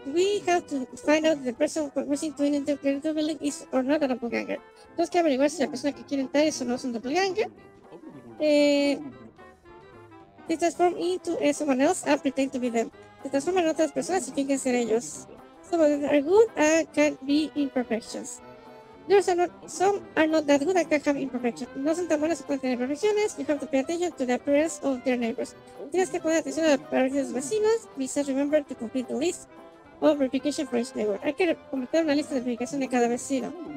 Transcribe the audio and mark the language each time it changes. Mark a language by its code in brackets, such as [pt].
[en] We have to find out if the person wishing to enter the building is or not a doppelganger. [es] Entonces, que averiguar si la persona que quiere entrar es o no es un doppelganger. [en] They transform into someone else and pretend to be them. [es] Se transforman en otras personas y fingen ser ellos. [en] Some of them are good and can be imperfections. Some are not that good and can have imperfections. [es] No son tan buenas o pueden tener imperfecciones. [en] You have to pay attention to the appearance of their neighbors. [es] Tienes que poner atención a la apariencia de los vecinos. [en] Please remember to complete the list of verification for each neighbor. [es] Hay que completar una lista de verificación de cada vecino.